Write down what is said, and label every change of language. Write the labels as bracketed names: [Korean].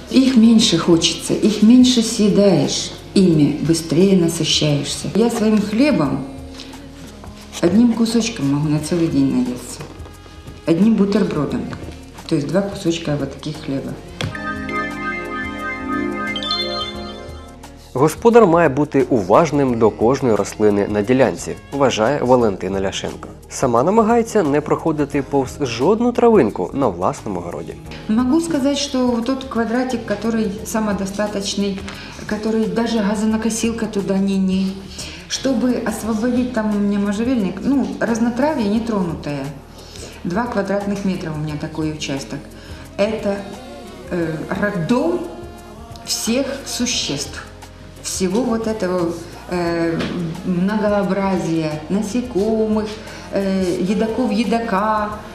[Russian] Их меньше хочется, их меньше съедаешь, ими быстрее насыщаешься. Я своим хлебом одним кусочком могу на целый день наесться. Одним бутербродом. То есть два кусочка вот таких хлеба. [Ukrainian] Господар має бути уважним до кожної рослини на ділянці, вважає Валентина Ляшенко. Сама намагається не проходити повз жодну травинку на власному городі. Могу сказати, що тут квадратик, який самодостаточний, який навіть газонокосилка туди ні-ні. [Russian] Чтобы освободить там у меня можжевельник, ну, разнотравье нетронутое. 2 квадратных метра у меня такой участок. Это роддом всех существ. Всего вот этого многообразия насекомых, едоков-едока.